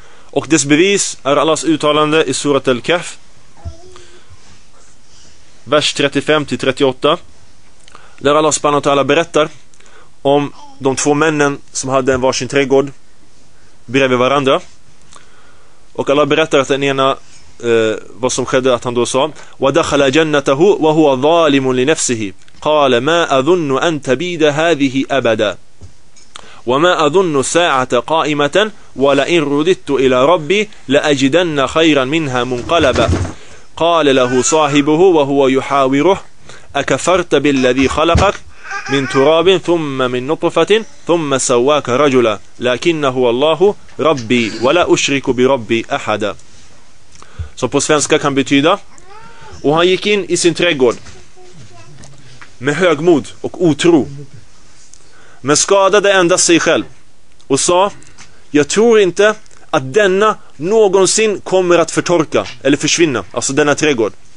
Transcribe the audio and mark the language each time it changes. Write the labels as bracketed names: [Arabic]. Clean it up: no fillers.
[Swedish] Och dess bevis är Allahs uttalande i surat al-Kahf, vers 35-38, där Allah subhanahu wa ta'ala berättar om de två männen som hade en varsin trädgård bredvid varandra. Och Allah berättar att den ena, vad som skedde, att han då sa [Arabic] وَدَخَلَ جَنَّتَهُ وَهُوَ ظَالِمٌ لِنَفْسِهِ قَالَ مَا أَذُنُّ أَن تَبِيدَ هَذِهِ أَبَدًا وَمَا أَذُنُّ سَاعَةَ قَائِمَةً وَلَئِنْ رُدِدْتُ إِلَى رَبِّي لَأَجِدَنَّ خَيْرًا مِنْهَا مُنْقَلَبًا قَالَ لَهُ صَاحِبُهُ وَهُوَ يُحَاوِرُهُ أَكَفَرْتَ بِالَّذِي خَلَقَكَ مِنْ تُرَابٍ ثُمَّ مِنْ نُطْفَةٍ ثُمَّ سَوَّاكَ رَجُلًا لَكِنَّ هُوَ اللَّهُ رَبِّي وَلَا أُشْرِكُ بِرَبِّي أَحَدًا. [Swedish] Så på svenska kan betyda: och han gick in i sin trädgård med högmod och otro, men skadade endast sig själv och sa: jag tror inte att denna någonsin kommer att förtorka eller försvinna, alltså denna trädgård.